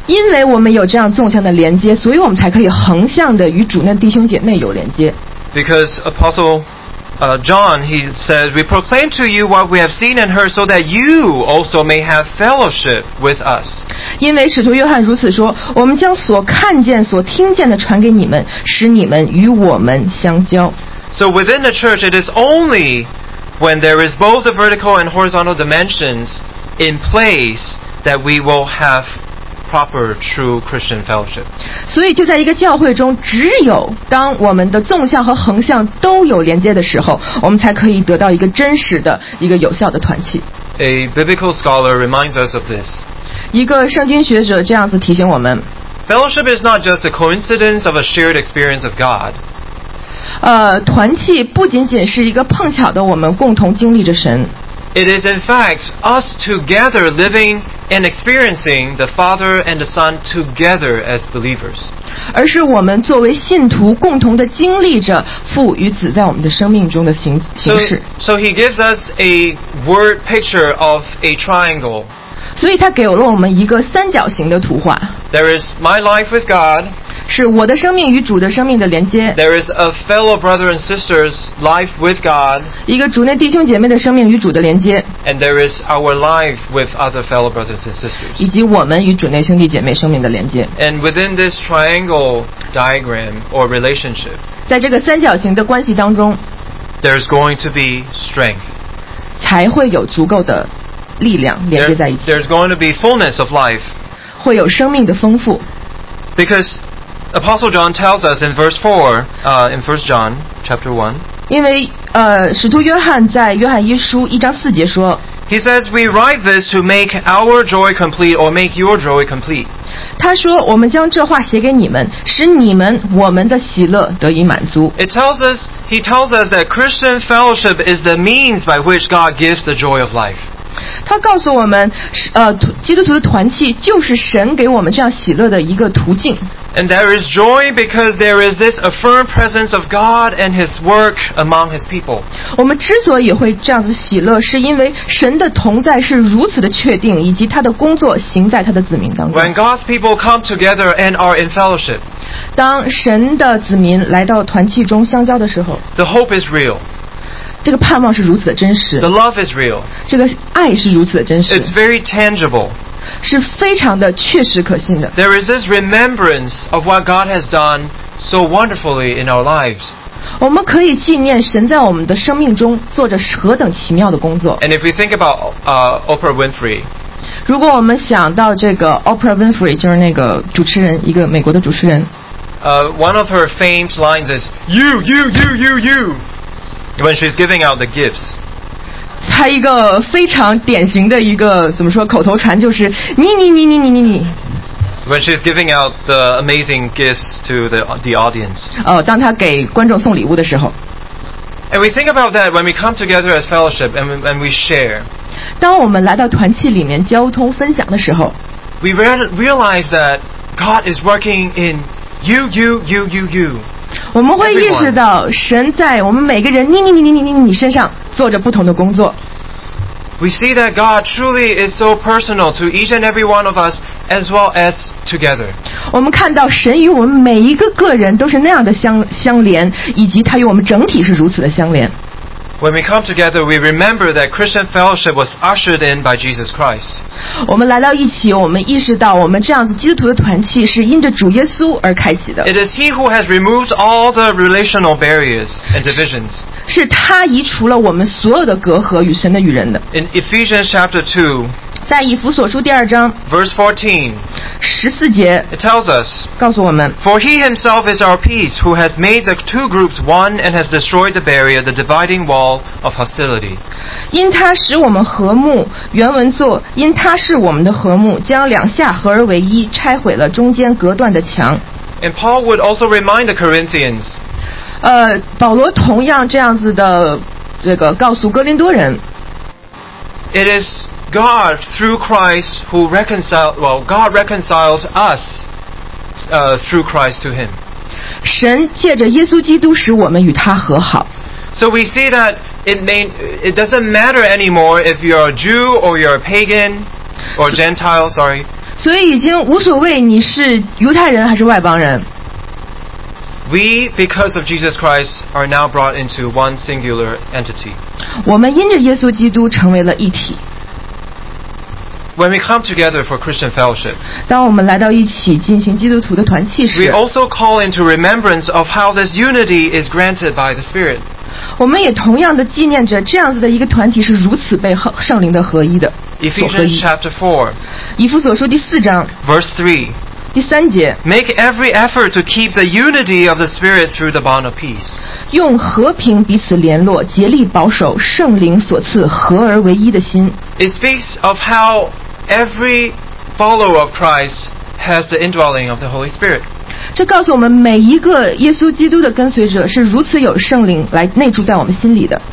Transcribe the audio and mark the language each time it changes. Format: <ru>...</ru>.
<zh>因为我们有这样纵向的连接所以我们才可以横向的与主内弟兄姐妹有连接</zh> <en>Because Apostle John, he says, we proclaim to you what we have seen and heard so that you also may have fellowship with us.</en> <zh>因为使徒约翰如此说，我们将所看见、所听见的传给你们，使你们与我们相交。</zh> <en>So within the church, it is only when there is both the vertical and horizontal dimensions in place that we will have proper true Christian fellowship.</en> <zh>所以就在一个教会中只有当我们的纵向和横向都有连接的时候我们才可以得到一个真实的一个有效的团契</zh> <en>A biblical scholar reminds us of this.</en> <zh>一个圣经学者这样子提醒我们</zh> <en>Fellowship is not just a coincidence of a shared experience of God.</en> <zh>团契不仅仅是一个碰巧的我们共同经历着神。</zh> <en>It is in fact us together living and experiencing the Father and the Son together as believers.</en> <zh>而是我们作为信徒共同的经历着父与子在我们的生命中的形式。</zh> <en>So he gives us a word picture of a triangle.</en> <zh>所以他给了我们一个三角形的图画。</zh> <en>There is my life with God.</en> <zh>是我的生命与主的生命的连接。</zh> <en>There is a fellow brother and sister's life with God.</en> <zh>一个主内弟兄姐妹的生命与主的连接。</zh> <en>And there is our life with other fellow brothers and sisters.</en> <zh>以及我们与主内兄弟姐妹生命的连接。</zh> <en>And within this triangle diagram or relationship,</en> <zh>在这个三角形的关系当中，</zh> <en>there is going to be strength.</en> <zh>才会有足够的力量连接在一起。</zh> <en>There's going to be fullness of life.</en> <zh>会有生命的丰富。</zh> <en>Because Apostle John tells us in verse 4, in 1 John chapter 1,</en> <zh>因为使徒约翰在约翰一书一章四节说，</zh> <en>He says, we write this to make our joy complete or make your joy complete.</en> <zh>他说我们将这话写给你们，使你们我们的喜乐得以满足。</zh> <en>He tells us that Christian fellowship is the means by which God gives the joy of life.</en> <zh>他告诉我们，基督徒的团契就是神给我们这样喜乐的一个途径。</zh> <en>And there is joy because there is this affirmed presence of God and His work among His people.</en> <zh>我们之所以会这样子喜乐，是因为神的同在是如此的确定，以及他的工作行在他的子民当中。</zh> <en>When God's people come together and are in fellowship,</en> <zh>当神的子民来到团契中相交的时候</zh> <en>，the hope is real.</en> <zh>这个盼望是如此的真实。</zh> <en>The love is real.</en> <zh>这个爱是如此的真实。</zh> <en>It's very tangible.</en> <zh>是非常的确实可信的。</zh> <en>There is this remembrance of what God has done so wonderfully in our lives.</en> <zh>我们可以纪念神在我们的生命中做着何等奇妙的工作。</zh> <en>And if we think about Oprah Winfrey,</en> <zh>如果我们想到这个 Oprah Winfrey, 就是那个主持人，一个美国的主持人。</zh> <en>One of her famed lines is, you, you, you, you, you. When she's giving out the gifts,</en> <zh>她一个非常典型的一个怎么说口头禅就是你你你你你你你。</zh> <en>When she's giving out the amazing gifts to the audience,</en> <zh>当她给观众送礼物的时候。</zh> <en>And we think about that when we come together as fellowship and we share.</en> <zh>当我们来到团契里面交通分享的时候。</zh> <en>We realize that God is working in you, you, you, you, you.</en> <zh>我们会意识到神在我们每个人你身上做着不同的工作。</zh> <en>We see that God truly is so personal to each and every one of us as well as together.</en> <zh>我们看到神与我们每一个个人都是那样的相连，以及他与我们整体是如此的相连。</zh> <en>When we come together, we remember that Christian fellowship was ushered in by Jesus Christ.</en> <zh>我们来到一起，我们意识到我们这样子基督徒的团契是因着主耶稣而开启的。</zh> <en>It is He who has removed all the relational barriers and divisions.</en> <zh>是他移除了我们所有的隔阂与神的与人的。</zh> <en>In Ephesians chapter 2,</en> <zh>在以弗所书第二章</zh> <en>verse 14,</en> <zh>十四节</zh> <en>it tells us,</en> <zh>告诉我们</zh> <en>For He Himself is our peace, who has made the two groups one and has destroyed the barrier, the dividing wall of hostility.</en> <zh>因他使我们和睦，原文作因他是我们的和睦，将两下合而为一，拆毁了中间隔断的墙。</zh> <en>And Paul would also remind the Corinthians,</en> <zh>保罗同样这样子的这个告诉哥林多人</zh> <en>It is God through Christ who reconciled, well, God reconciles us, through Christ to Him.</en> <zh>神借着耶稣基督使我们与他和好。</zh> <en>So we see that it doesn't matter anymore if you're a Jew or you're a pagan or Gentile, sorry.</en> <zh>所以已经无所谓你是犹太人还是外邦人。</zh> <en>We, because of Jesus Christ, are now brought into one singular entity.</en> <zh>我们因着耶稣基督成为了一体。</zh> <en>When we come together for Christian fellowship,</en> <zh>当我们来到一起进行基督徒的团契时，</zh> <en>we also call into remembrance of how this unity is granted by the Spirit.</en> <zh>我们也同样的纪念着这样子的一个团体是如此被圣灵的合一的。</zh> <en>Ephesians chapter 4,</en> <zh>以弗所书第四章</zh> <en>verse 3,</en> <zh>第三节</zh> <en>make every effort to keep the unity of the Spirit through the bond of peace.</en> <zh>用和平彼此联络，竭力保守圣灵所赐合而为一的心。</zh> <en>It speaks of how every follower of Christ has the indwelling of the Holy Spirit.</en> <zh>这告诉我们每一个耶稣基督的跟随者是如此有圣灵来内住在我们心里的。</zh>